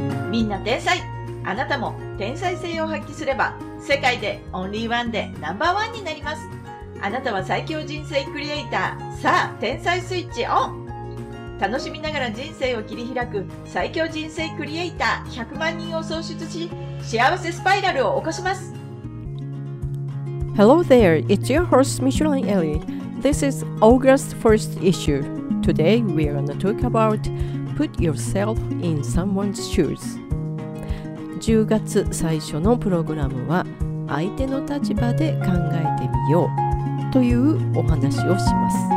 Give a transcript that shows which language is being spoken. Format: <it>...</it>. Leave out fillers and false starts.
<ja>みんな天才、あなたも天才性を発揮すれば世界でオンリーワンでナンバーワンになります。あなたは最強人生クリエイター。さあ天才スイッチオン。楽しみながら人生を切り開く最強人生クリエイター100万人を創出し、幸せスパイラルを起こします。</ja> <en>Hello there, it's your host Michelin Ellie. This is August 1st issue. Today we are going to talk about Put Yourself in Someone's Shoes.</en> <ja>10月最初のプログラムは相手の立場で考えてみようというお話をします。</ja>